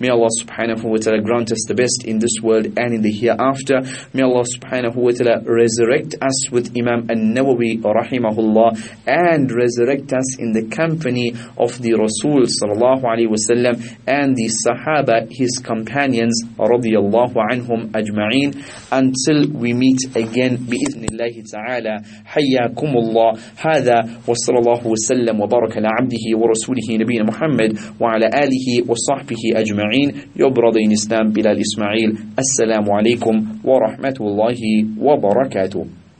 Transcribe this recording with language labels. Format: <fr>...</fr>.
<en>May Allah subhanahu wa ta'ala grant us the best in this world and in the hereafter. May Allah subhanahu wa ta'ala resurrect us with Imam An-Nawawi rahimahullah, and resurrect us in the company of the Rasul sallallahu alayhi wa sallam and the Sahaba, his companion,</en> <ar>رضي الله عنهم أجمعين.</ar> <en>Until we meet again</en> <ar>بإذن الله تعالى حياكم الله. هذا وصلى الله وسلم وبارك على عبده ورسوله نبينا محمد وعلى آله وصحبه أجمعين.</ar> <en>Your brother in Islam, Bilal Ismail.</en> <ar>السلام عليكم ورحمة الله وبركاته.</ar>